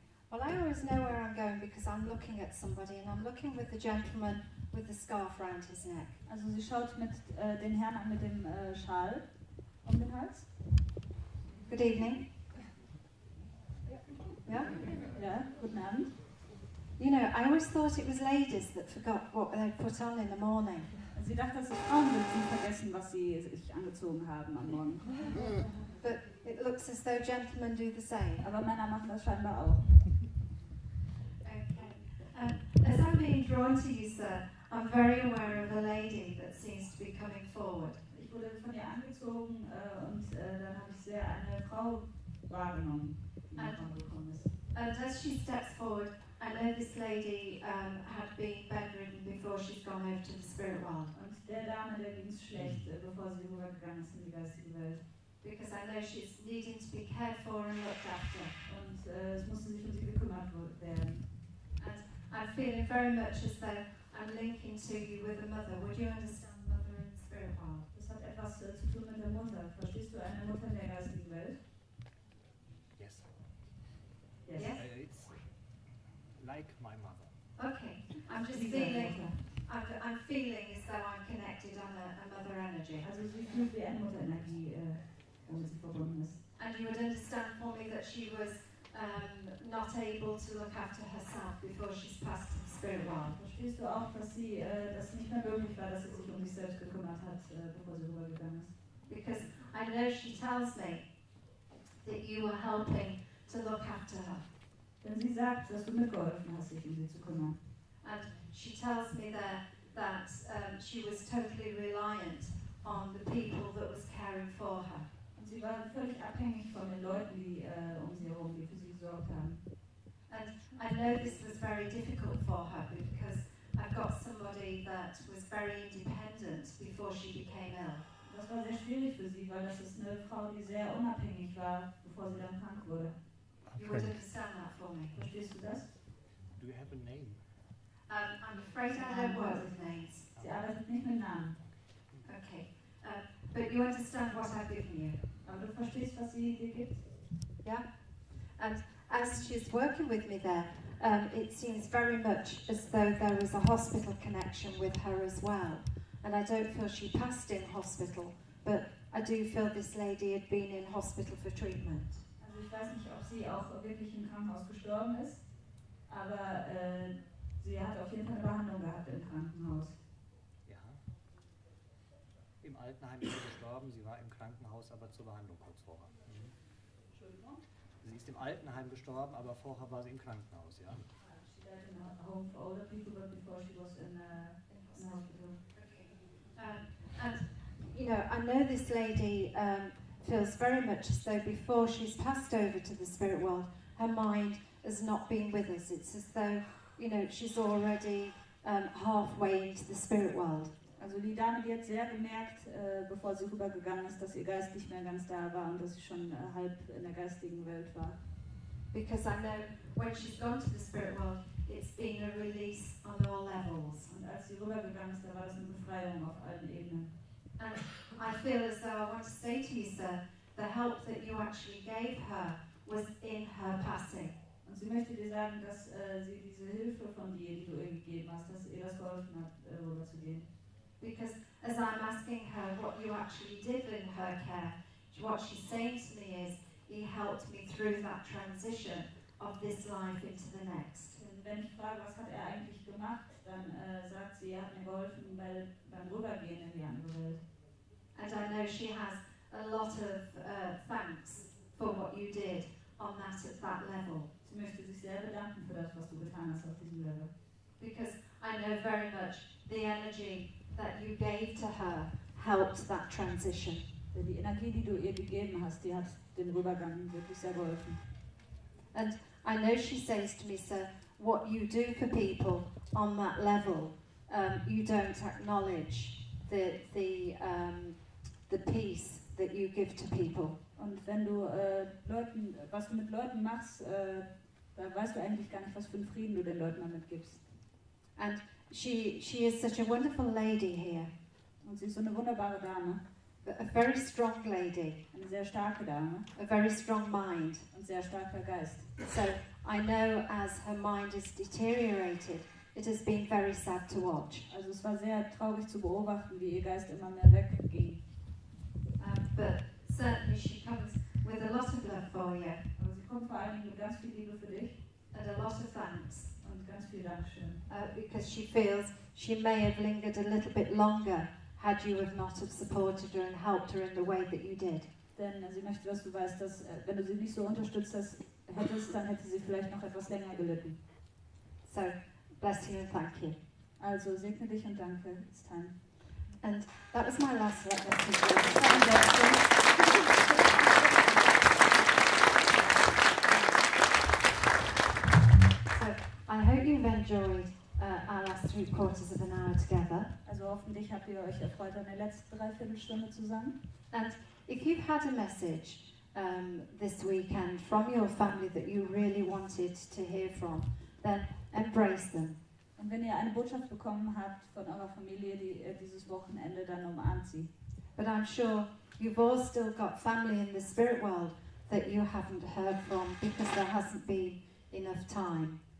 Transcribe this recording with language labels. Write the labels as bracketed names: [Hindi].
[English] Well, I always know where I'm going because I'm looking at somebody and I'm looking with the gentleman with the scarf round his neck. [German] Also sie schaut mit den Herrn an mit dem Schal um den Hals. [English] Good evening. Yeah. Yeah. [German] Guten Abend. [English] You know, I always thought it was ladies that forgot what they put on in the morning. [German] Sie dachte, dass es Frauen sind, die vergessen, was sie sich angezogen haben am Morgen. [English] But it looks as though gentlemen do the same. [German] Aber Männer machen das scheinbar auch. [English] As I'm being drawn to you, sir, I'm very aware of a lady that seems to be coming forward. [German] Ich wurde von ihr angezogen und dann habe ich sehr eine Frau wahrgenommen, die nach vorne gekommen ist. [English] And as she steps forward, I know this lady had been bedridden before she's gone over to the spirit world. [German] Und der Dame, der ging's schlecht, bevor sie rübergegangen ist in die geistige Welt. [English] Because I know she's needing to be cared for and looked after. [German] Und es musste sich um sie gekümmert werden. [English] I'm feeling very much as though I'm linking to you with a mother. Would you understand mother in the spirit world? [German] Das hat etwas zu tun mit der Mutter. Verstehst du eine Mutter in der geistigen Welt? [English] Yes. Yes. Yes. It's like my mother. Okay. I'm just feeling. I'm feeling as though I'm connected on a mother energy. [German] Also sie fühlt wie eine Mutter Energie, wo sie verbunden ist. [English] And you would understand for me that she was not able to look after herself before she's passed to the spirit world. [German] Verstehst du auch, dass sie das nicht mehr möglich war, dass sie sich um sich selbst gekümmert hat, bevor sie rübergegangen ist? [English] Because I know she tells me that you were helping to look after her. [German] Denn sie sagt, dass du mitgeholfen hast, sich um sie zu kümmern. [English] And she tells me there that she was totally reliant on the people that was caring for her. [German] Sie war völlig abhängig von den Leuten, die um sie herum, die für sie gesorgt haben. [English] And I know this was very difficult for her because I've got somebody that was very independent before she became ill. [German] Das war sehr schwierig für sie, weil das ist eine Frau, die sehr unabhängig war, bevor sie dann krank wurde. [English] You would understand that for me. [German] Verstehst du das? [English] Do you have a name? I'm afraid I don't work with names. [German] Sie arbeitet nicht mit Namen. [English] Okay. But you understand what I've given you. [German] Aber du verstehst, was sie dir gibt? [English] Yeah. And as she's working with me there, it seems very much as though there was a hospital connection with her as well. And I don't feel she passed in hospital, but I do feel this lady had been in hospital for treatment. [German] Also ich weiß nicht, ob sie auch wirklich im Krankenhaus gestorben ist, aber sie hat auf jeden Fall eine Behandlung gehabt im Krankenhaus. Im Altenheim ist sie gestorben, sie war im Krankenhaus, aber zur Behandlung kurz vorher. Mhm. Entschuldigung? Sie ist im Altenheim gestorben, aber vorher war sie im Krankenhaus, ja. [English] She died in a home for older people, but before she was in a hospital. Okay. And, you know, I know this lady feels very much as though before she's passed over to the spirit world, her mind has not been with us. It's as though, you know, she's already halfway into the spirit world. [German] Also die Dame, die hat sehr gemerkt, bevor sie rübergegangen ist, dass ihr Geist nicht mehr ganz da war und dass sie schon halb in der geistigen Welt war. [English] Because I know when she's gone to the spirit world, it's been a release on all levels. [German] Und als sie rübergegangen ist, da war es eine Befreiung auf allen Ebenen. [English] And I feel as though I want to say to you, sir, the help that you actually gave her was in her passing. [German] Und sie möchte dir sagen, dass sie diese Hilfe von dir, die du ihr gegeben hast, dass ihr das geholfen hat, rüberzugehen. [English] Because as I'm asking her what you actually did in her care, what she's saying to me is, he helped me through that transition of this life into the next. [German] Wenn ich frage, was hat eigentlich gemacht, dann sagt sie, hat mir geholfen beim Rübergehen in die andere Welt. [English] And I know she has a lot of thanks for what you did on that at that level. [German] Sie möchte sich sehr bedanken für das, was du getan hast auf diesem Level. [English] Because I know very much the energy that you gave to her helped that transition. [German] Die Energie, die du ihr gegeben hast, die hat den Rübergang wirklich sehr geholfen. [English] And I know she says to me, sir, what you do for people on that level, you don't acknowledge the peace that you give to people. [German] Und wenn du Leuten, was du mit Leuten machst, da weißt du eigentlich gar nicht, was für einen Frieden du den Leuten damit gibst. [English] And She is such a wonderful lady here. [German] Und sie ist so eine wunderbare Dame. [English] A very strong lady. [German] Eine sehr starke Dame. [English] A very strong mind. [German] Und sehr starker Geist. [English] So I know as her mind is deteriorated, It has been very sad to watch. [German] Also es war sehr traurig zu beobachten, wie ihr Geist immer mehr wegging. [English] But certainly she comes with a lot of love for you. [German] Aber sie kommt vor allen Dingen mit ganz viel Liebe für dich. [English] And a lot of thanks. [German] Und ganz viel Dankeschön. [English] Because she feels she may have lingered a little bit longer had you have not have supported her and helped her in the way that you did. [German] Denn sie möchte, dass du weißt, dass wenn du sie nicht so unterstützt hättest, dann hätte sie vielleicht noch etwas länger gelitten. [English] So, bless you and thank you. [German] Also segne dich und danke. [English] It's time. And that was my last letter. So I hope you've enjoyed our last three quarters of an hour together. [German] Also hoffentlich habt ihr euch erfreut an der letzten Dreiviertelstunde zusammen. [English] And if you've had a message this weekend from your family that you really wanted to hear from, then embrace them. [German] Und wenn ihr eine Botschaft bekommen habt von eurer Familie, die dieses Wochenende, dann umarmt sie. [English] But I'm sure you've all still got family in the spirit world that you haven't heard from because there hasn't been enough time.